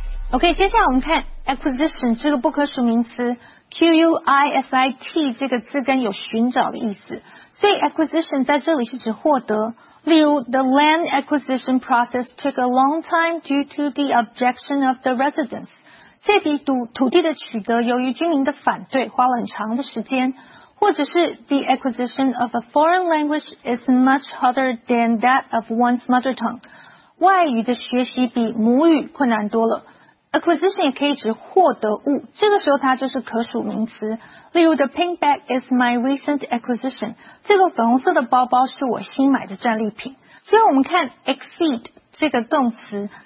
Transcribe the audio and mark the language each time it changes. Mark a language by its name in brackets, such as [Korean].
[Chinese] OK, 接下来我们看 acquisition 这个不可数名词 QUISIT 这个字根有寻找的意思，所以 acquisition 在这里是指获得。例如 [English] The land acquisition process took a long time due to the objection of the residents. [Chinese] 这笔 土地的取得由于居民的反对花了很长的时间。或者是 [English] The acquisition of a foreign language is much harder than that of one's mother tongue. [Chinese] 外语的学习比母语困难多了。 Acquisition 也可以指获得物，这个时候它就是可数名词。例如 [English] The pink bag is my recent acquisition. [Chinese] 这个粉红色的包包是我新买的战利品。最后我们看 exceed 这个动词，